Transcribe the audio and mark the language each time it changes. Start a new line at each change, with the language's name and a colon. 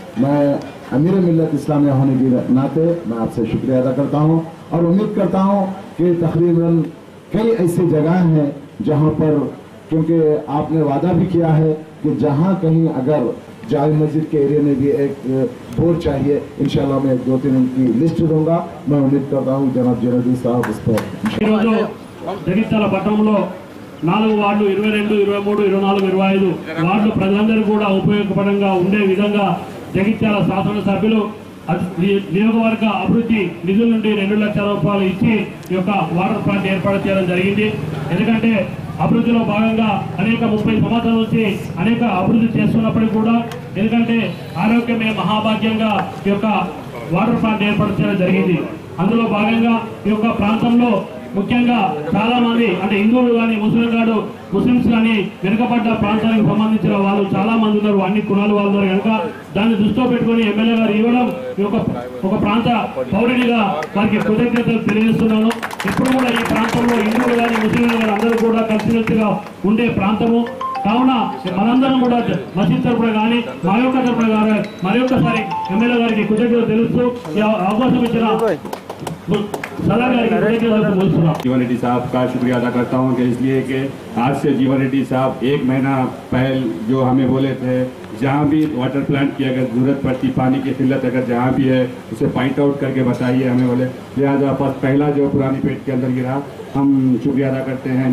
Hindi: मैं अमीर मिल्लत इस्लामिया होने के नाते मैं आपसे शुक्रिया अदा करता हूं और उम्मीद करता हूं कि तकरीबन कई ऐसी जगह हैं जहां पर क्योंकि आपने वादा भी किया है कि जहां कहीं अगर जाय मस्जिद के एरिया में भी एक बोर चाहिए इंशाल्लाह मैं 2-3 उनकी लिस्ट दूंगा. मैं उम्मीद करता हूँ जनाब जनरल साहब उस पर
Telugu: జగిత్యాల పట్టణంలో 4 వార్డులు 22, 23, 24, 25 వార్డులు ప్రజలందరూ కూడా ఉపయోగపడంగా ఉండే విధంగా జగిత్యాల శాసనసభ్యులు నియోగవర్గ అభివృద్ధి నిధుల నుండి 2 లక్షల రూపాయలు ఇచ్చి ఈ యొక్క వాటర్ ప్లాంట్ ఏర్పాటు చేయడం జరిగింది. ఎందుకంటే అభివృద్ధిలో భాగంగా అనేక 30 సంవత్సరాలు వచ్చి అనేక అభివృద్ధి చేస్తున్నప్పటికీ కూడా ఎందుకంటే ఆరోగ్యమే మహాభాగ్యంగా ఈ యొక్క వాటర్ ప్లాంట్ ఏర్పాటు చేయడం జరిగింది. అందులో భాగంగా ఈ యొక్క ప్రాంతంలో ముఖ్యంగా చాలా మంది అంటే హిందువులు కానీ ముస్లింలు కాదు ముస్లింస్ కానీ వెనుకబడ్డ ప్రాంతానికి సంబంధించిన వాళ్ళు చాలా మంది ఉన్నారు అన్ని కులాల వాళ్ళు కనుక దాన్ని దృష్టిలో పెట్టుకుని ఎమ్మెల్యే గారు ఇవ్వడం ఒక ప్రాంత పౌరుడిగా వారికి కృతజ్ఞతలు తెలియజేస్తున్నాను. ఇప్పుడు కూడా ఈ ప్రాంతంలో హిందువులు కానీ ముస్లింలు కానీ అందరూ కూడా కలిసిమెలిసిగా ఉండే ప్రాంతము కావున మనందరం కూడా మసీద్ తరపున కానీ మా యొక్క తరపున కానీ మరి ఒక్కసారి ఎమ్మెల్యే గారికి కృతజ్ఞతలు తెలుస్తూ ఈ అవకాశం ఇచ్చిన
Hindi: जीवन रेड्डी साहब का शुक्रिया अदा करता हूँ कि इसलिए कि आज से जीवन रेड्डी साहब एक महीना पहले जो हमें बोले थे जहाँ भी वाटर प्लांट की अगर जरूरत पड़ती पानी की किल्लत अगर जहाँ भी है उसे पॉइंट आउट करके बताइए हमें बोले लिहाजा फर्स्ट पहला जो पुरानी पेट के अंदर गिरा हम शुक्रिया अदा करते हैं.